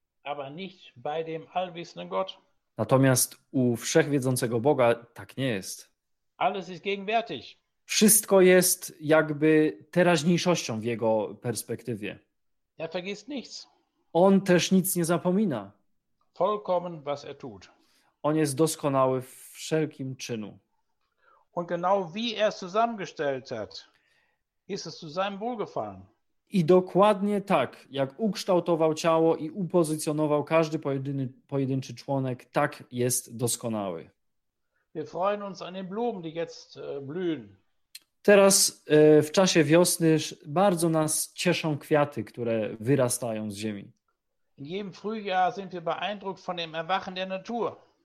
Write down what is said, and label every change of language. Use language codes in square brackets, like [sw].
[de] aber nicht bei dem allwissenden Gott. [pl] Natomiast u wszechwiedzącego Boga tak nie jest. [de] Alles ist gegenwärtig. [pl] Wszystko jest jakby teraźniejszością w jego perspektywie. [de] Er vergisst nichts. [pl] On też nic nie zapomina. [de] Vollkommen, was er tut. [pl] On jest doskonały w wszelkim czynu. [de] Und genau wie er zusammengestellt hat, ist es zu seinem Wohlgefallen. [pl] I dokładnie tak, jak ukształtował ciało i upozycjonował każdy pojedynczy członek, tak jest doskonały. [de] Wir freuen uns an den Blumen, die jetzt blühen. [pl] Teraz w czasie wiosny bardzo nas cieszą kwiaty, które wyrastają z ziemi. [de] In jedem Frühjahr sind wir beeindruckt von dem Erwachen der Natur.